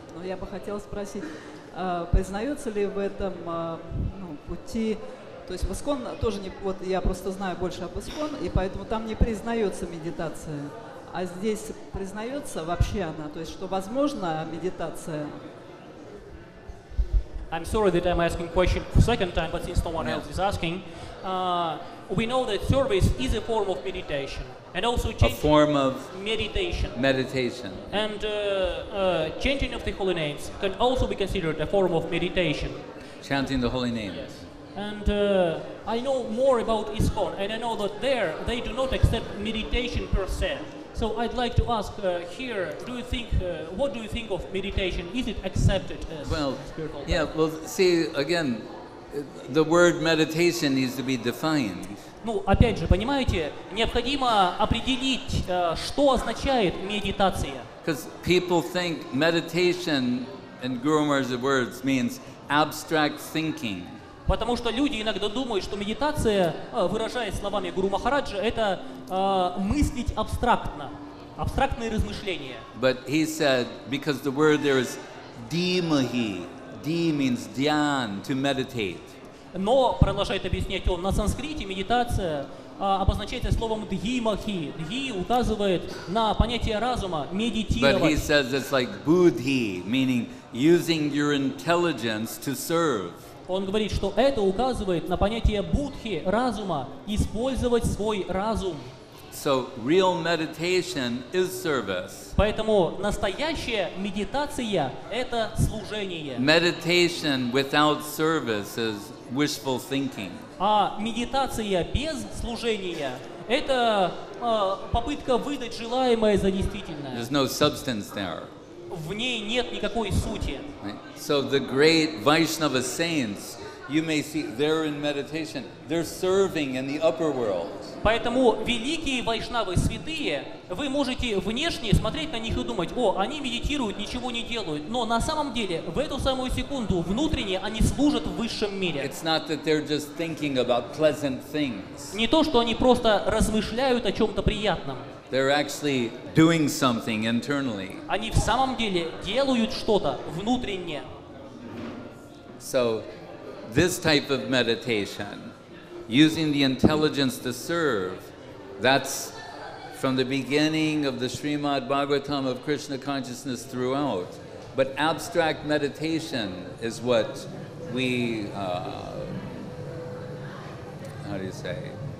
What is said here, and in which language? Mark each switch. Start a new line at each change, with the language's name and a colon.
Russian: Но я бы хотела спросить, признается ли в этом пути, то есть в ИСКОН тоже не, вот я просто знаю больше об ИСКОН, и поэтому там не признается медитация, а здесь признается вообще она, то есть что возможно медитация.
English: I'm sorry that I'm asking question for second time, but since no one else is asking, we know that service is a form of meditation, and also changing a form of meditation. Meditation. And chanting of the holy names can also be considered a form of meditation. Chanting the holy names. Yes. And I know more about ISKCON, and I know that there they do not accept meditation per se. So I'd like to ask here, do you think, what do you think of meditation? Is it accepted as spiritual? Well, see, again, the word meditation needs to be defined.
Russian: Ну, опять же, понимаете, необходимо определить, что означает медитация.
English: Because people think meditation, in Guru Maharaj's words, means abstract thinking.
Russian: Потому что люди иногда думают, что медитация, выражаясь словами Гуру Махараджа, это мыслить абстрактно, абстрактные размышления.
English: But he said, because the word there is dhimahi, dhi means dhyan, to meditate.
Russian: Но, продолжает объяснять он, на санскрите медитация обозначается словом dhimahi. Dhi указывает на понятие разума, медитировать.
English: But he says it's like buddhi, meaning using your intelligence to serve.
Russian: Он говорит, что это указывает на понятие будхи, разума, использовать свой разум.
English: So, real meditation is service.
Russian: Поэтому настоящая медитация — это служение.
English: Meditation without service is wishful thinking.
Russian: А медитация без служения — это попытка выдать желаемое за действительное.
English: There's no substance there.
Russian: В ней нет никакой сути.
English: So the great Vaishnava saints, you may see, they're in meditation. They're serving in the upper world.
Russian: Поэтому великие вайшнавы, святые, вы можете внешне смотреть на них и думать, о, они медитируют, ничего не делают. Но на самом деле, в эту самую секунду, внутренне, они служат в высшем мире.
English: It's not that they're just thinking about pleasant things.
Russian: Не то, что они просто размышляют о чем-то приятном.
English: They're actually doing something internally.
Russian: Они в самом деле делают что-то внутренне.
English: So, this type of meditation, using the intelligence to serve, that's from the beginning of the Srimad Bhagavatam of Krishna consciousness throughout. But abstract meditation is what we, how do you say?